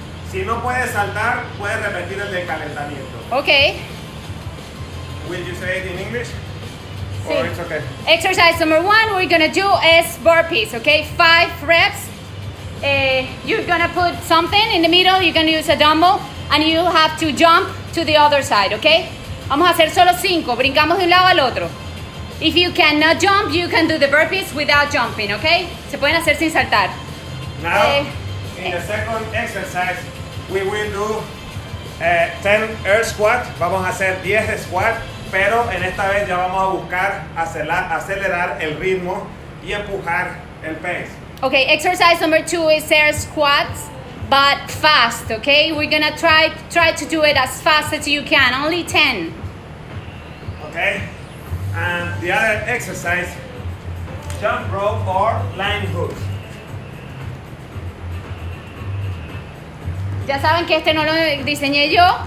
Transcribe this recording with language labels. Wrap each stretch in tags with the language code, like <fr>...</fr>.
<es>Si no puedes saltar, puedes repetir el de calentamiento. Ok.</es> <en>Will you say it in English?</en> <es>Sí.</es> <en>Or it's okay. Exercise number one we're gonna do is burpees, okay? 5 reps. You're gonna put something in the middle, you're gonna use a dumbbell, and you have to jump to the other side, okay?</en> <es>Vamos a hacer solo 5, brincamos de un lado al otro.</es> <en>If you cannot jump, you can do the burpees without jumping, okay?</en> <es>Se pueden hacer sin saltar.</es> <en>Now, in the second exercise, we will do 10 air squats.</en> <es>Vamos a hacer 10 squats, pero en esta vez ya vamos a buscar acelerar el ritmo y empujar el pace.</es> <en>Okay, exercise number 2 is air squats, but fast, okay? We're gonna try to do it as fast as you can, only 10. Okay, and the other exercise, jump rope or line hook.</en> <es>Ya saben que este no lo diseñé yo.</es>